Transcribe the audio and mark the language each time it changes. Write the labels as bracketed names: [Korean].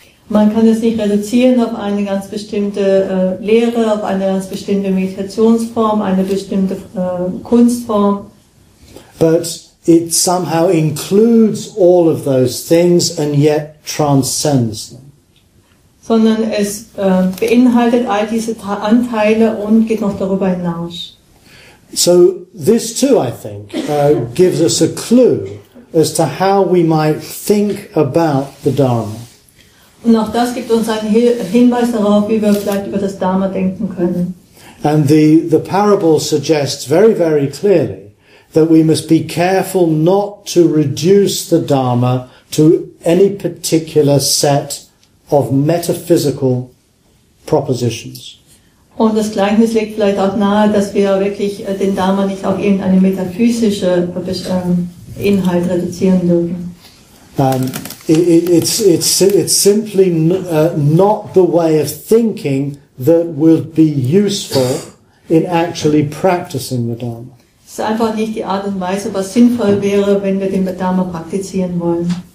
[German] Man kann es nicht reduzieren auf eine ganz bestimmte Lehre, auf eine ganz bestimmte Meditationsform, eine bestimmte Kunstform. [English] But it somehow includes all of those things and yet transcends them. [German] Sondern es beinhaltet all diese Anteile und geht noch darüber hinaus. [English] So this too, I think, gives us a clue as to how we might think about the Dharma. [German] Und auch das gibt uns einen Hinweis darauf, wie wir vielleicht über das Dharma denken können. [English] And the parable suggests very, very clearly that we must be careful not to reduce the Dharma to any particular set of metaphysical propositions. [German] Und das Gleichnis legt vielleicht auch nahe, dass wir wirklich den Dharma nicht auf irgendeine metaphysische Inhalt reduzieren dürfen. [English] It's simply not the way of thinking that will be useful in actually practicing the Dharma. [German] Es ist einfach nicht die Art und Weise, was sinnvoll wäre, wenn wir den Dharma praktizieren wollen.